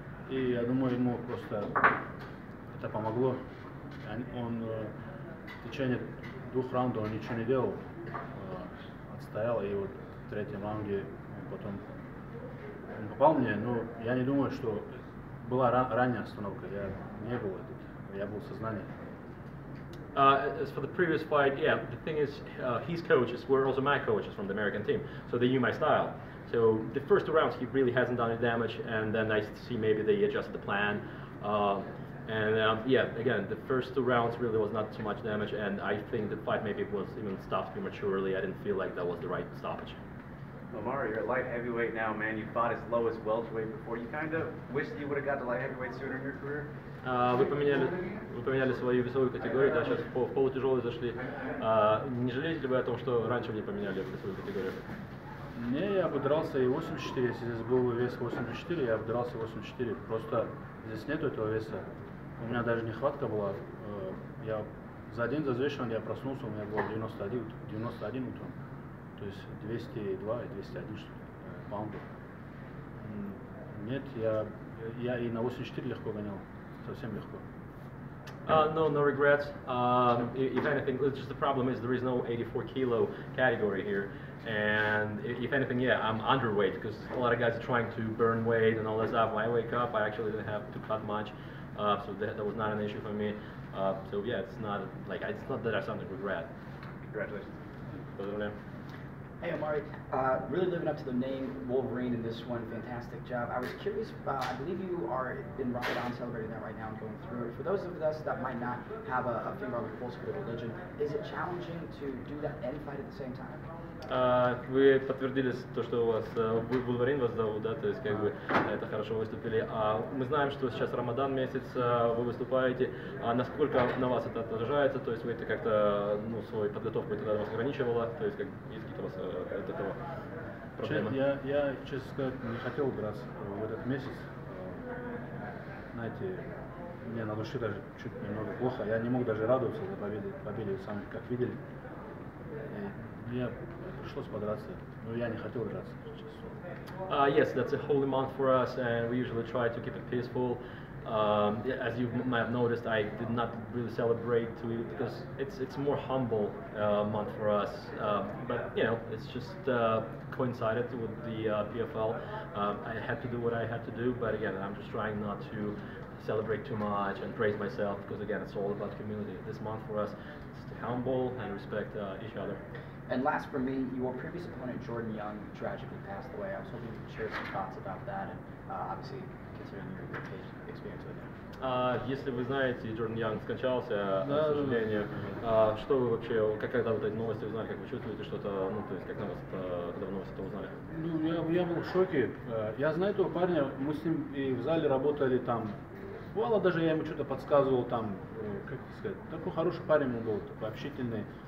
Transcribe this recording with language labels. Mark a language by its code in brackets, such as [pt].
[ru] И я думаю, ему просто это помогло. Он в течение 2 раундов он ничего не делал. Отстоял, и вот в 3-м раунде потом. Он попал мне, но я не думаю, что была ранняя остановка. Я не был этот. Я был в сознании. [en] As for the previous fight, yeah, the thing is, his coaches were also my coaches from the American team, so they knew my style. So the first 2 rounds he really hasn't done any damage, and then I see maybe they adjusted the plan. Yeah, again, the first 2 rounds really was not too much damage, and I think the fight maybe was even stopped prematurely. I didn't feel like that was the right stoppage. Omari, you're a light heavyweight now, man. You fought as low as welterweight before. You kind of wish you would have got to light heavyweight sooner in your career. [ru] Вы поменяли свою весовую категорию, да? Сейчас в полутяжелый зашли. Не жалеете ли вы о том, что раньше не поменяли весовую категорию? Не, я бы дрался и 84. Если здесь был вес 84, я бы дрался 84. Просто здесь нету этого веса. У меня даже нехватка была. Я за один взвешивание я проснулся, у меня было 91 утром. То есть 202 и 201 паунды. Нет, я и на 84 легко гонял, совсем легко. [en] No regrets. If anything, just the problem is there is no 84 kilo category here. And if anything, yeah, I'm underweight because a lot of guys are trying to burn weight and all that stuff. When I wake up, I actually didn't have to cut much, so that was not an issue for me. So yeah, it's not that I sound like regret. Congratulations. Hey Omari, really living up to the name Wolverine in this one, fantastic job. I was curious, I believe you are in Ramadan celebrating that right now and going through it. For those of us that might not have a finger on the pulse of the religion, is it challenging to do that and fight at the same time? [ru] Вы подтвердили то, что у вас Вулверин вас зовут, да, то есть как бы это хорошо выступили. Мы знаем, что сейчас Рамадан месяц, вы выступаете. Насколько на вас это отражается, то есть вы это как-то, ну, свою подготовку тогда вас ограничивало, то есть как есть какие-то у вас от этого проблемы? Я, честно сказать, не хотел драться в этот месяц. Знаете, мне на душе даже чуть немного плохо. Я не мог даже радоваться за победе, сам как видели. Мне пришлось подраться, но я не хотел драться сейчас. [en] Yes, that's a holy month for us, and we usually try to keep it peaceful. As you might have noticed, I did not really celebrate to it because it's more humble month for us. But you know, it's just coincided with the PFL. I had to do what I had to do, but again, I'm just trying not to celebrate too much and praise myself because again, it's all about community. This month for us is to humble and respect each other. And last for me, your previous opponent Jordan Young tragically passed away. I was hoping you could share some thoughts about that, and obviously considering your experience with him. [ru] Если вы знаете, Jordan Young скончался, да, к сожалению. Да. Что вы вообще, когда вот эти новости узнали, как вы чувствуете что-то, ну то есть как на вас это, когда вы новости это узнали? Ну я был в шоке. Я знаю этого парня, мы с ним и в зале работали там бывало, даже я ему что-то подсказывал там, как сказать, такой хороший парень он был, такой общительный.